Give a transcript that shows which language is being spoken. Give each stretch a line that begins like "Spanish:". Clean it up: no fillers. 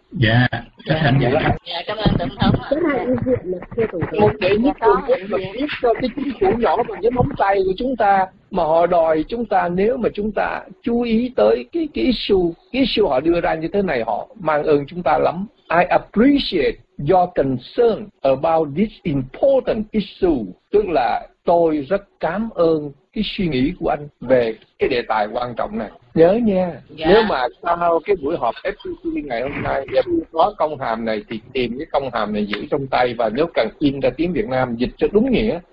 Vietnamese: Dạ, rất hãnh diện. Dạ, cảm ơn tổng thống. Rất hãnh diện là thưa tổng thống. Một đề nhất tổng thống là viết cho cái chính phủ nhỏ bằng cái móng tay của chúng ta, mà họ đòi chúng ta, nếu mà chúng ta chú ý tới cái issue họ đưa ra như thế này, họ mang ơn chúng ta lắm.
English: I appreciate your concern about this important issue.
Vietnamese: Tức là tôi rất cảm ơn cái suy nghĩ của anh về cái đề tài quan trọng này. Nhớ nha. Dạ. Nếu mà sau cái buổi họp FPT ngày hôm nay em có công hàm này thì tìm cái công hàm này giữ trong tay, và nếu cần in ra tiếng Việt Nam dịch cho đúng nghĩa.